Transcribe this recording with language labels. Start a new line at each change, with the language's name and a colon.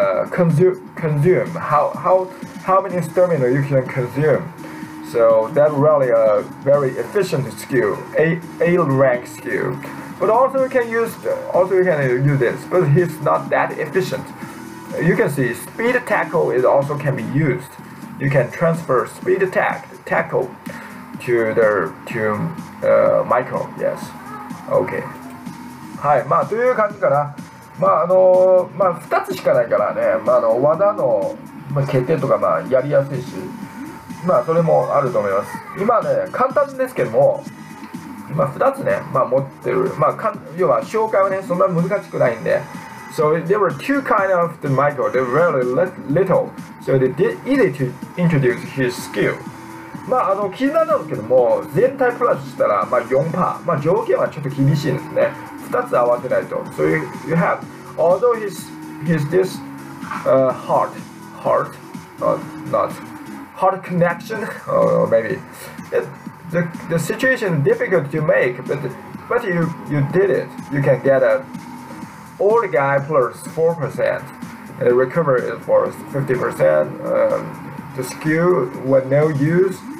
English: Consume how many stamina you can consume, so that really a very efficient skill, A rank skill. But also you can use this, but he's not that efficient. You can see speed tackle is also can be used, you can transfer speed attack tackle to Michael. Yes. Okay.
Japanese: はい、まあという感じかな。まあまあ2つしかないからね。まあ技の、まあ、決定とかまあやりやすいし、まあそれもあると思います。今ね簡単ですけども、まあ2つね、まあ持ってる、まあ要は紹介はねそんな難しくないんで。
English: So there were two kind of the Michael. They were very little, so they did easy to introduce his skill.
Japanese: まあ気になるんですけども、全体プラスしたら、まあ、4%、まあ、条件はちょっと厳しいですね。 2つ合わせないと。
English: So you have, although he's this hard connection, or maybe, the situation is difficult to make, but you did it. You can get an old guy plus 4%, and recover it for 50%, the skill with no use.